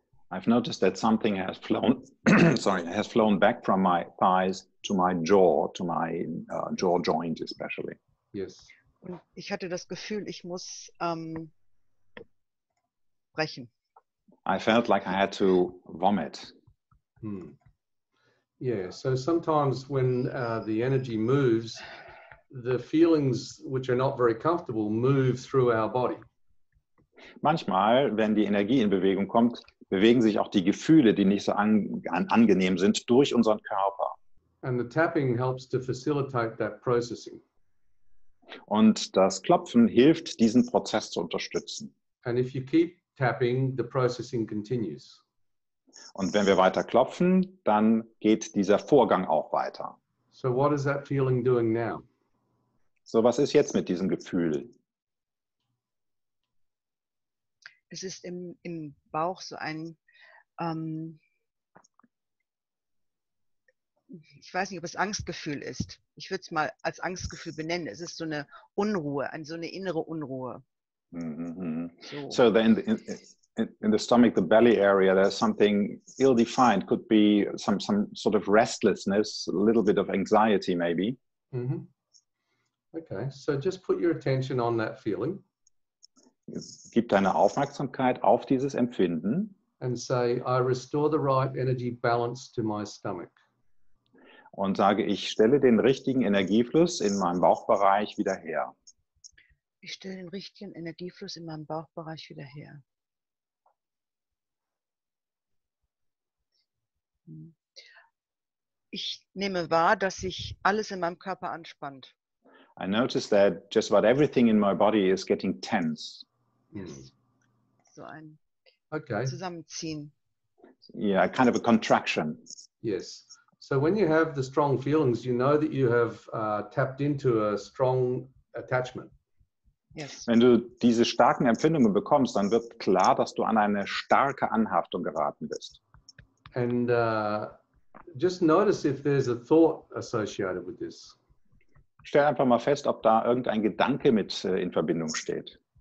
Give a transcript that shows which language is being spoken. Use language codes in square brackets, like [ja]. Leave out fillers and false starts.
[en] I've noticed that something has flown, has flown back from my thighs to my jaw, to my jaw joint especially. Yes. [de] Und ich hatte das Gefühl, ich muss brechen. [en] I felt like I had to vomit. Hmm. Yeah, so sometimes when the energy moves, the feelings which are not very comfortable move through our body. [de] Manchmal, wenn die Energie in Bewegung kommt, bewegen sich auch die Gefühle, die nicht so angenehm sind, durch unseren Körper. [en] And the tapping helps to facilitate that processing. [de] Und das Klopfen hilft, diesen Prozess zu unterstützen. [en] And if you keep tapping, the processing continues. [de] Und wenn wir weiter klopfen, dann geht dieser Vorgang auch weiter. [en] So what is that feeling doing now? [de] So was ist jetzt mit diesem Gefühl? Es ist im Bauch so ein, ich weiß nicht, ob es Angstgefühl ist. ich würde es mal als Angstgefühl benennen. Es ist so eine Unruhe, so eine innere Unruhe. Mm-hmm. [en] So then in the stomach, the belly area, there's something ill-defined. Could be some sort of restlessness, a little bit of anxiety maybe. Mm-hmm. Okay, so just put your attention on that feeling. [de] Gib deine Aufmerksamkeit auf dieses Empfinden. [en] And say, I restore the right energy balance to my stomach. [de] Und sage, ich stelle den richtigen Energiefluss in meinem Bauchbereich wieder her. Ich stelle den richtigen Energiefluss in meinem Bauchbereich wieder her. Ich nehme wahr, dass sich alles in meinem Körper anspannt. [en] I notice that just about everything in my body is getting tense. Yes. [de] So ein okay. Zusammenziehen. [en] Yeah, kind of a contraction. Yes. So when you have the strong feelings, you know that you have tapped into a strong attachment. Yes. [de] Wenn du diese starken Empfindungen bekommst, dann wird klar, dass du an eine starke Anhaftung geraten bist. [en] And just notice if there's a thought associated with this. [de] Stell einfach mal fest, ob da irgendein Gedanke mit in Verbindung steht.